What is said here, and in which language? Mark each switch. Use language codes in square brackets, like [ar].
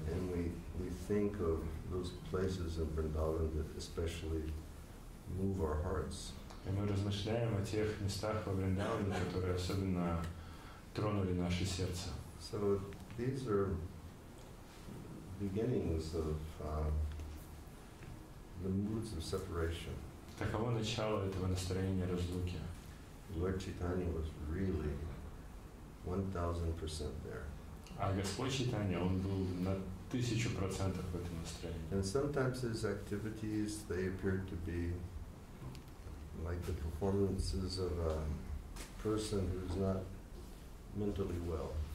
[en] And we think of those places in Vrindavan that especially move our hearts. [ru] И мы размышляем о тех местах во Вриндаване, которые особенно тронули наше сердце. [en] So these are beginnings of the moods of separation. [ru] Таково начало этого настроения разлуки. [en] Lord Chaitanya was really 1000% there. [ru] А Господь Чайтанья, он был на 1000% в этом настроении. [en] And sometimes his activities, they appeared to be like the performances of a person who's not mentally well.